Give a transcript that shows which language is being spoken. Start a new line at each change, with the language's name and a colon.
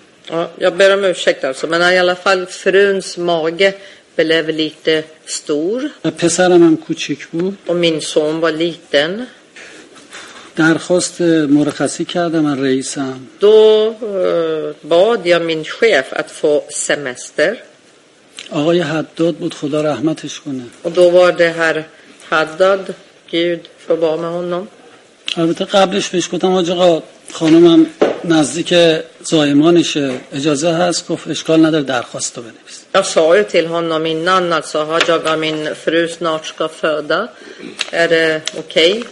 Swedish: Ja, jag ber om ursäkt alltså, men i alla fall fruns mage blev lite stor.
Persian: پسرم هم کوچک بود.
Swedish: Och min son var liten.
Persian: درخواست مرخصی کردم از رئیسم.
Swedish: Då bad jag min chef att få semester.
Persian: آقای حداد بود، خدا رحمتش کنه.
Swedish: Och då var det här Haddad, Gud förbarma med honom.
Persian: البته قبلش بهش گفتم آج آقا خانمم نزدیک زایمانشه، اجازه هست؟ گفت اشکال نداره درخواست رو بنویس.
Swedish: Jag sa ju till honom innan alltså, har jag min fru snart ska föda, är det okej?